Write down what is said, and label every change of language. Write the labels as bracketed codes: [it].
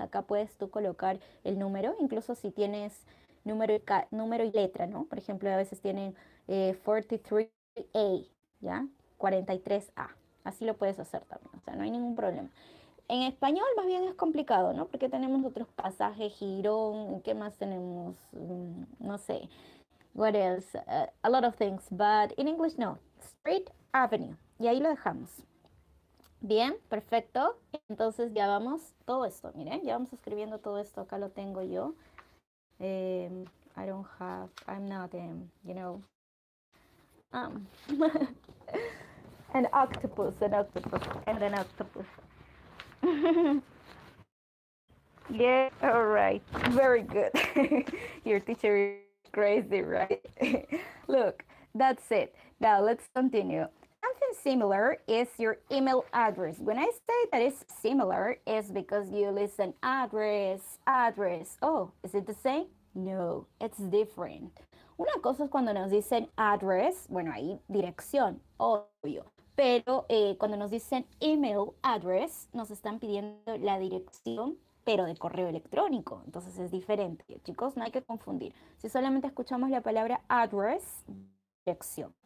[es] Acá puedes tú colocar el número, incluso si tienes número y letra, ¿no? Por ejemplo, a veces tienen 43A, ¿ya? 43A. Así lo puedes hacer también, o sea, no hay ningún problema. En español más bien es complicado, ¿no? Porque tenemos otros pasajes, Girón, ¿qué más tenemos? No sé. [en] What else? A lot of things, but in English no. [es] Street Avenue. Y ahí lo dejamos. Bien, perfecto. Entonces ya vamos todo esto, miren, ya vamos escribiendo todo esto. Acá lo tengo yo. [en] I don't have, I'm not, an octopus, an octopus, and an octopus. Yeah, all right, very good. Your teacher is crazy, right? Look, that's it. Now let's continue. Something similar is your email address. When I say that it's similar, it's because you listen address, address. Oh, is it the same? No, it's different. [es] Una cosa es cuando nos dicen address, bueno, ahí dirección, obvio. Pero cuando nos dicen email address, nos están pidiendo la dirección, pero de correo electrónico. Entonces es diferente, chicos, no hay que confundir. Si solamente escuchamos la palabra address, dirección.